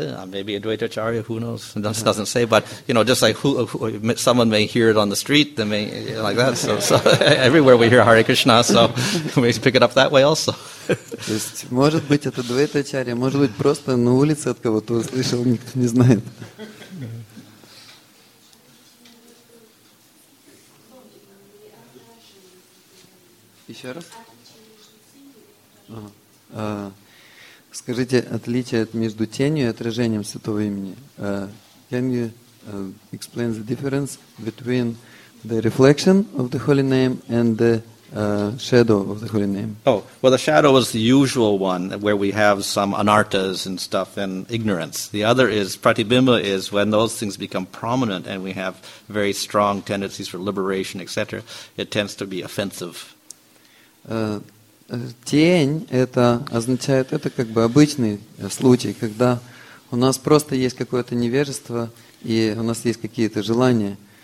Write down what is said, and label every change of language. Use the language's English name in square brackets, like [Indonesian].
[English] Maybe Advaita Acharya, who knows? It doesn't say, but you know, just like who someone may hear it on the street, they may like that. So everywhere we hear Hare Krishna, so we pick it up that way also. [Russian] То есть, может быть, это Advaita Acharya, может быть, просто на улице от кого-то услышал, никто не знает. Еще раз. Скажите, отличие между тенью и отражением святого имени. [English] Can you explain the difference between the reflection of the holy name and the shadow of the holy name? Oh, well, the shadow is the usual one where we have some anartas and stuff and ignorance. The other is pratibimba is when those things become prominent and we have very strong tendencies for liberation, etc. It tends to be offensive. [Russian] Тень – это означает, это как бы обычный случай, когда у нас просто есть какое-то невежество и у нас есть какие-то желания.